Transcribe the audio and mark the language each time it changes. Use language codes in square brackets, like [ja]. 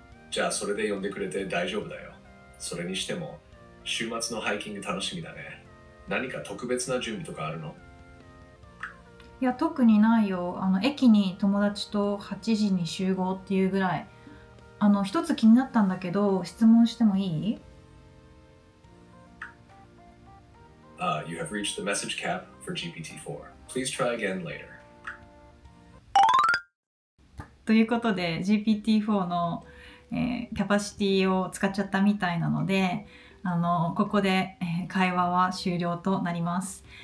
[ja] じゃあそれで呼んでくれて大丈夫だよ。それにしても週末のハイキング楽しみだね。何か特別な準備とかあるの？や特にないよ。駅に友達と8時に集合っていうぐらい。一つ気になったんだけど、質問してもいい？ [en] You have reached the message cap for GPT-4. Please try again later. [ja] ということで、GPT-4 の、キャパシティを使っちゃったみたいなので、ここで、会話は終了となります。